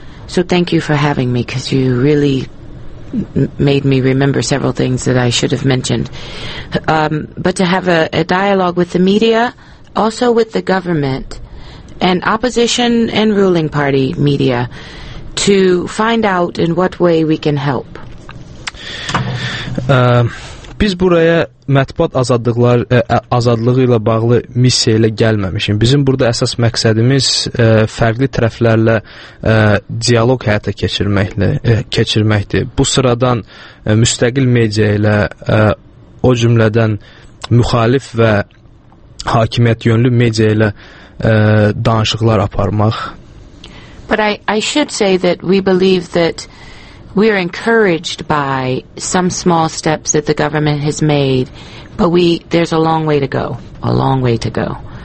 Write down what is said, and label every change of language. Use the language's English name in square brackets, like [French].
[English] So thank you for having me, because you really made me remember several things that I should have mentioned. But to have a dialogue with the media, also with the government, and opposition and ruling party media, to find out in what way we can help. [Azerbaijani] biz buraya mətbuat azadlıqları azadlığı ilə bağlı missiya ilə gəlməmişik. Bizim burada əsas məqsədimiz fərqli tərəflərlə dialoq həyata keçirməklə keçirməkdir. Bu sıradan müstəqil media ilə o cümlədən müxalif və hakimiyyət yönlü media ilə danışıqlar aparmaq. [English] But I should say that we believe that we are encouraged by some small steps that the government has made, but there's a long way to go, a long way to go.